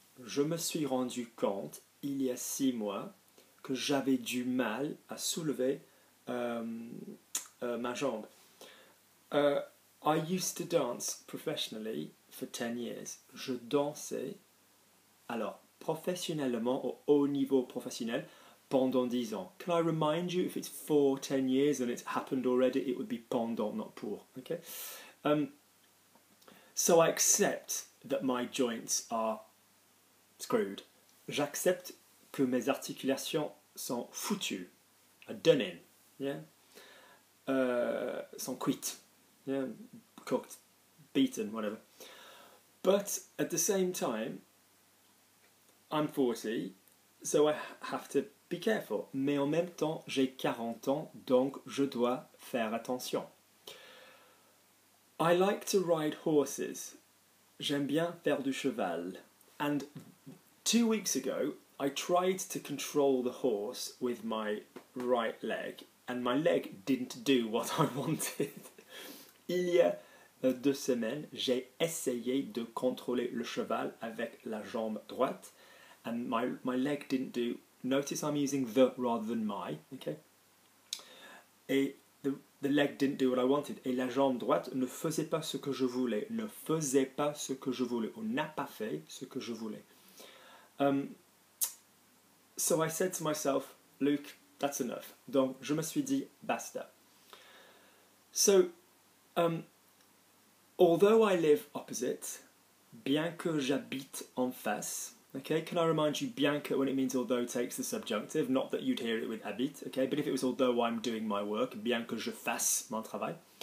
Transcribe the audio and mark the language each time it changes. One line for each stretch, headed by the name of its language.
French: Je me suis rendu compte il y a 6 mois que j'avais du mal à soulever ma jambe.
English: I used to dance professionally for 10 years.
French: Je dansais, alors, professionnellement, au haut niveau professionnel, pendant 10 ans.
English: Can I remind you, if it's 4-10 years and it's happened already, it would be pendant, not pour. Okay? So I accept that my joints are screwed.
French: J'accepte que mes articulations sont foutues,
English: are done in,
French: yeah, sont cuites, yeah,
English: cooked, beaten, whatever. But at the same time, I'm 40, so I have to be careful.
French: Mais en même temps, j'ai 40 ans, donc je dois faire attention.
English: I like to ride horses.
French: J'aime bien faire du cheval.
English: And 2 weeks ago, I tried to control the horse with my right leg, and my leg didn't do what I wanted.
French: Il y a 2 semaines, j'ai essayé de contrôler le cheval avec la jambe droite,
English: and my leg didn't do. Notice I'm using the rather than my, okay? The leg didn't do what I wanted.
French: Et la jambe droite ne faisait pas ce que je voulais. Ne faisait pas ce que je voulais. Ou n'a pas fait ce que je voulais.
English: So I said to myself, Luke, that's enough.
French: Donc, je me suis dit, basta.
English: So, although I live opposite,
French: bien que j'habite en face,
English: okay, can I remind you, bien que, when it means although, takes the subjunctive, not that you'd hear it with habite, okay, but if it was although I'm doing my work,
French: bien que je fasse mon travail.